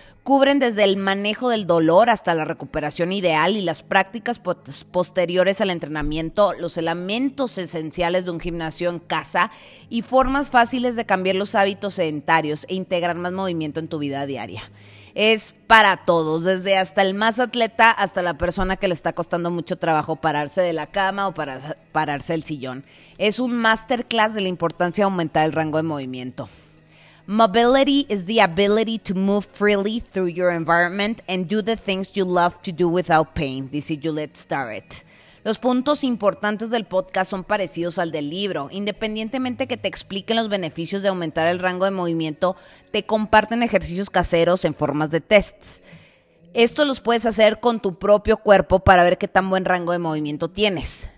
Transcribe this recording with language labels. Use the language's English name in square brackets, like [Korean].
[Spanish] Cubren desde el manejo del dolor hasta la recuperación ideal y las prácticas posteriores al entrenamiento, los elementos esenciales de un gimnasio en casa y formas fáciles de cambiar los hábitos sedentarios e integrar más movimiento en tu vida diaria. Es para todos, desde hasta el más atleta hasta la persona que le está costando mucho trabajo pararse de la cama o pararse del sillón. Es un masterclass de la importancia de aumentar el rango de movimiento. [English] Mobility is the ability to move freely through your environment and do the things you love to do without pain, dice Juliet Starrett. [Spanish] Los puntos importantes del podcast son parecidos al del libro. Independientemente que te expliquen los beneficios de aumentar el rango de movimiento, te comparten ejercicios caseros en formas de tests. Esto los puedes hacer con tu propio cuerpo para ver qué tan buen rango de movimiento tienes.